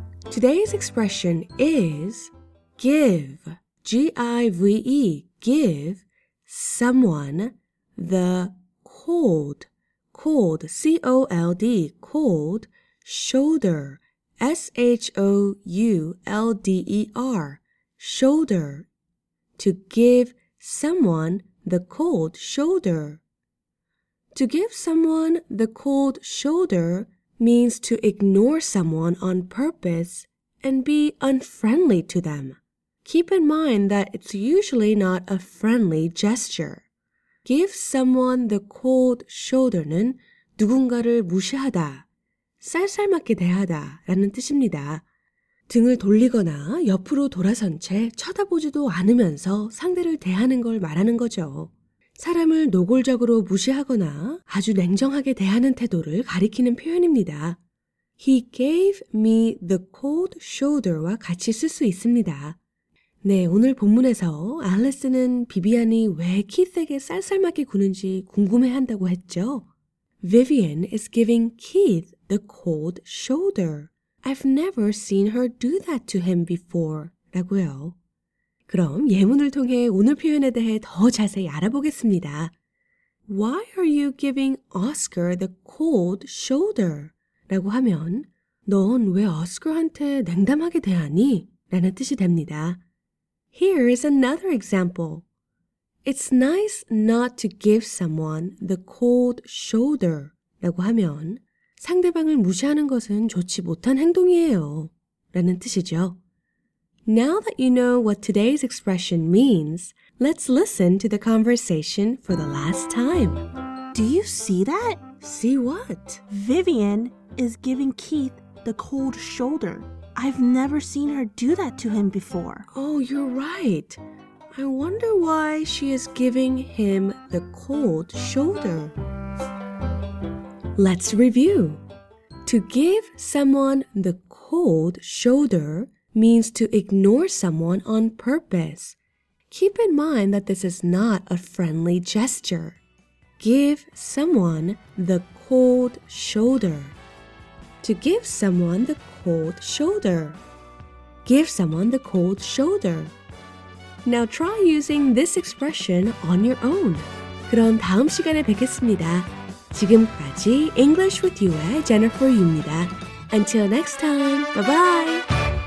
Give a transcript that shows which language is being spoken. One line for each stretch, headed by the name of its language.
English: Today's expression is give, G-I-V-E, give someone the cold, cold, C-O-L-D, cold shoulder, S-H-O-U-L-D-E-R, shoulder, to give someone the cold shoulder. To give someone the cold shoulder means to ignore someone on purpose and be unfriendly to them. Keep in mind that it's usually not a friendly gesture. Give someone the cold shoulder
Korean: 는 누군가를 무시하다, 쌀쌀맞게 대하다 라는 뜻입니다. 등을 돌리거나 옆으로 돌아선 채 쳐다보지도 않으면서 상대를 대하는 걸 말하는 거죠. 사람을 노골적으로 무시하거나 아주 냉정하게 대하는 태도를 가리키는 표현입니다.
English: He gave me the cold shoulder와
Korean: 같이 쓸 수 있습니다. 네, 오늘 본문에서 알리스는 비비안이 왜 키스에게 쌀쌀맞게 구는지 궁금해한다고 했죠.
English: Vivian is giving Keith the cold shoulder. I've never seen her do that to him before.
Korean: 라고요. 그럼 예문을 통해 오늘 표현에 대해 더 자세히 알아보겠습니다.
English: Why are you giving Oscar the cold shoulder?
Korean: 라고 하면 넌 왜 Oscar한테 냉담하게 대하니? 라는 뜻이 됩니다.
English: Here is another example. It's nice not to give someone the cold shoulder.
Korean: 라고 하면 상대방을 무시하는 것은 좋지 못한 행동이에요. 라는 뜻이죠.
English: Now that you know what today's expression means, let's listen to the conversation for the last time. Do you see that? See what? Vivian is giving Keith the cold shoulder. I've never seen her do that to him before. Oh, you're right. I wonder why she is giving him the cold shoulder. Let's review. To give someone the cold shoulder means to ignore someone on purpose. Keep in mind that this is not a friendly gesture. Give someone the cold shoulder. To give someone the cold shoulder. Give someone the cold shoulder. Now try using this expression on your own.
Korean: 그럼 다음 시간에 뵙겠습니다. 지금까지
English: English with You의 Jennifer Yu입니다. Until next time, bye-bye!